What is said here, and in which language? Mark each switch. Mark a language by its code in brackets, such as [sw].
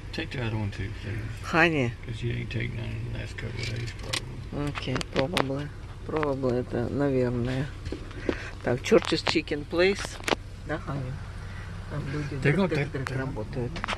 [en] Take the other one too, please. [ru] Ханя. [en] Because you ain't taken none in the last couple of days, probably. Okay, probably. [ru] Probably, это, наверное. Так, Church's Chicken Place. Да, Ханя? Там люди детектор работают.